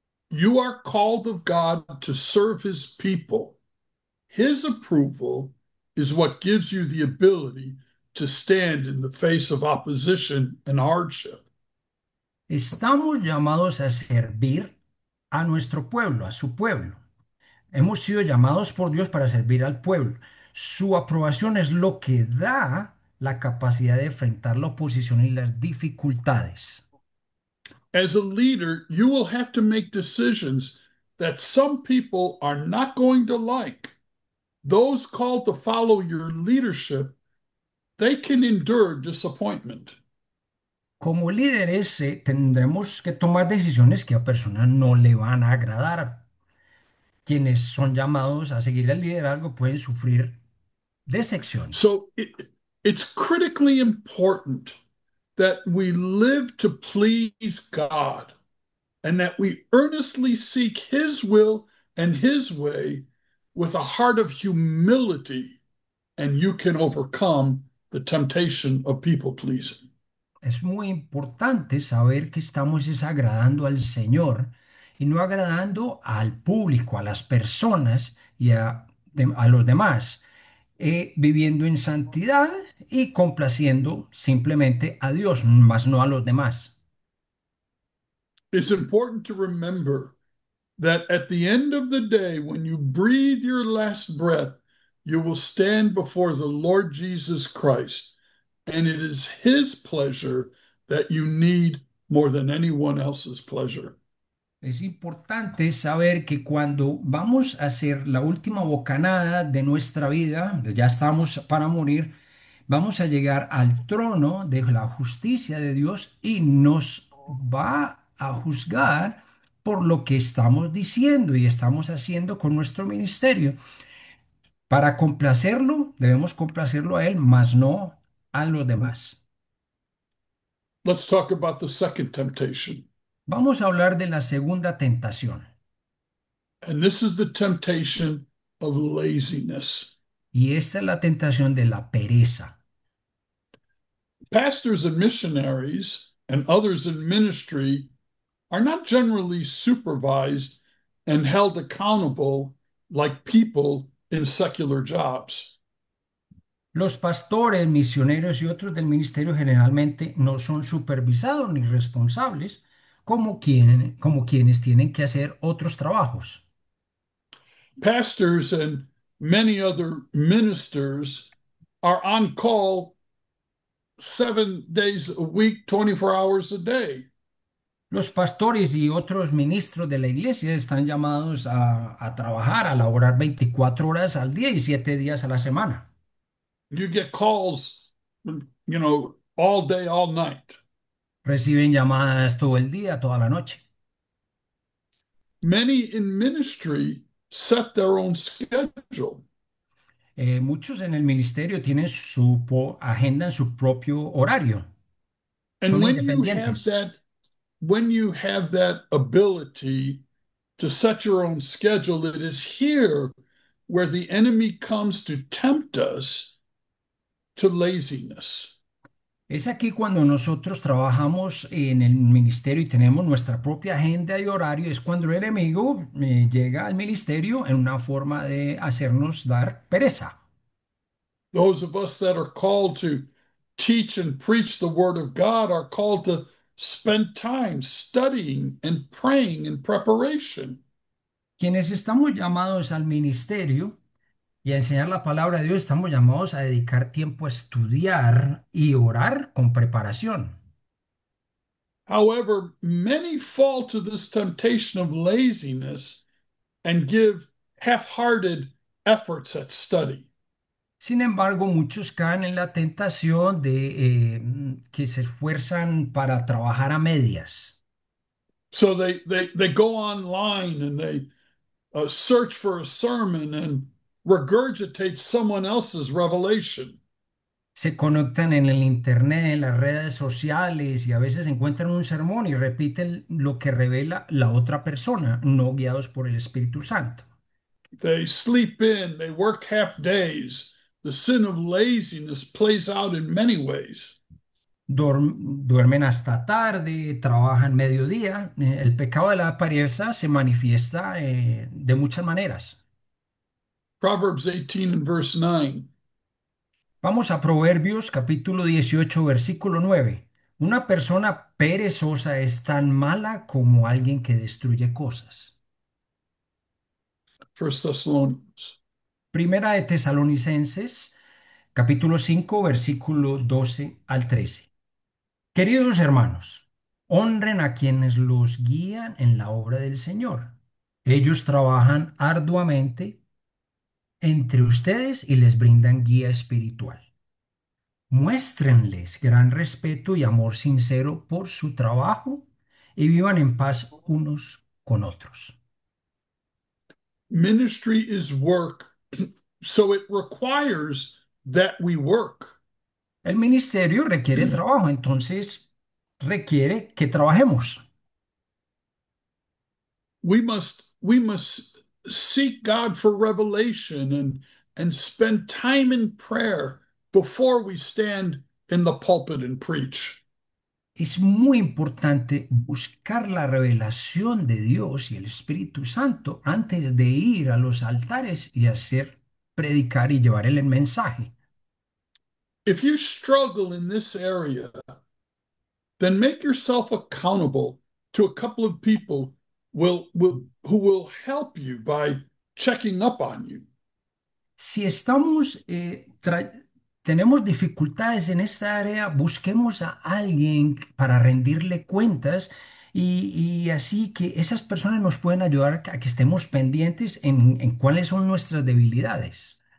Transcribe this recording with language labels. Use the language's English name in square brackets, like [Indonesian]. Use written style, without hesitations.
[English] You are called of God to serve his people. His approval is what gives you the ability to stand in the face of opposition and hardship. [Spanish] Estamos llamados a servir a nuestro pueblo, a su pueblo. Hemos sido llamados por Dios para servir al pueblo. Su aprobación es lo que da la capacidad de enfrentar la oposición y las dificultades. [English] As a leader, you will have to make decisions that some people are not going to like. Those called to follow your leadership, they can endure disappointment. [Spanish] Como líderes, tendremos que tomar decisiones que a personas no le van a agradar. Quienes son llamados a seguir el liderazgo pueden sufrir decepciones. [English] So it's critically important that we live to please God and that we earnestly seek His will and His way with a heart of humility, and you can overcome the temptation of people pleasing. [Spanish] Es muy importante saber que estamos desagradando al Señor y no agradando al público, a las personas y a los demás, viviendo en santidad y complaciendo simplemente a Dios, mas no a los demás. [English] It's important to remember that at the end of the day, when you breathe your last breath, you will stand before the Lord Jesus Christ, and it is His pleasure that you need more than anyone else's pleasure. [Spanish] Es importante saber que cuando vamos a hacer la última bocanada de nuestra vida, ya estamos para morir, vamos a llegar al trono de la justicia de Dios y nos va a juzgar por lo que estamos diciendo y estamos haciendo con nuestro ministerio. Para complacerlo, debemos complacerlo a Él, mas no a los demás. [English] Let's talk about the second temptation. [Spanish] Vamos a hablar de la segunda tentación. [English] And this is the temptation of laziness. [Spanish] Y esta es la tentación de la pereza. [English] Pastors and missionaries and others in ministry are not generally supervised and held accountable like people in secular jobs. [Spanish] Los pastores, misioneros y otros del ministerio generalmente no son supervisados ni responsables. Como quienes tienen que hacer otros trabajos. [English] Pastors and many other ministers are on call 7 days a week, 24 hours a day. [Spanish] Los pastores y otros ministros de la iglesia están llamados a trabajar, a laborar 24 horas al día y 7 días a la semana. [English] You get calls, all day, all night. [Spanish] Reciben llamadas todo el día, toda la noche. [English] Many in ministry set their own schedule. [Spanish] Muchos en el ministerio tienen su agenda en su propio horario. [English] And [Spanish] Son independientes. [English] when you have that ability to set your own schedule, it is here where the enemy comes to tempt us to laziness. [Spanish] Es aquí cuando nosotros trabajamos en el ministerio y tenemos nuestra propia agenda y horario, es cuando el enemigo llega al ministerio en una forma de hacernos dar pereza. [English] Those of us that are called to teach and preach the word of God are called to spend time studying and praying in preparation. [Spanish] Quienes estamos llamados al ministerio y a enseñar la palabra de Dios, estamos llamados a dedicar tiempo a estudiar y orar con preparación. [English] However, many fall to this temptation of laziness and give half-hearted efforts at study. [Spanish] Sin embargo, muchos caen en la tentación de que se esfuerzan para trabajar a medias. [English] So they go online and they search for a sermon and regurgitate someone else's revelation. [Spanish] Se conectan en el internet, en las redes sociales y a veces encuentran un sermón y repiten lo que revela la otra persona, no guiados por el Espíritu Santo. [English] They sleep in, they work half days. The sin of laziness plays out in many ways. [Spanish] Duermen hasta tarde, trabajan mediodía. El pecado de la apariencia se manifiesta de muchas maneras. [English] Proverbs 18 and verse 9. [Spanish] Vamos a Proverbios capítulo 18, versículo 9. Una persona perezosa es tan mala como alguien que destruye cosas. [English] First Thessalonians. [Spanish] Primera de Tesalonicenses capítulo 5, versículo 12 al 13. Queridos hermanos, honren a quienes los guían en la obra del Señor. Ellos trabajan arduamente entre ustedes y les brindan guía espiritual. Muéstrenles gran respeto y amor sincero por su trabajo y vivan en paz unos con otros. [English] Ministry is work, so it requires that we work. [Spanish] El ministerio requiere trabajo, entonces requiere que trabajemos. [English] We must seek God for revelation and spend time in prayer before we stand in the pulpit and preach. [Spanish] Es muy importante buscar la revelación de Dios y el Espíritu Santo antes de ir a los altares y hacer predicar y llevar el mensaje. [English] If you struggle in this area, then make yourself accountable to a couple of people who will help you by checking up on you. [Spanish] Si estamos tenemos dificultades en esta área, busquemos a alguien para rendirle cuentas y así que esas personas nos pueden ayudar a que estemos pendientes en cuáles son nuestras debilidades.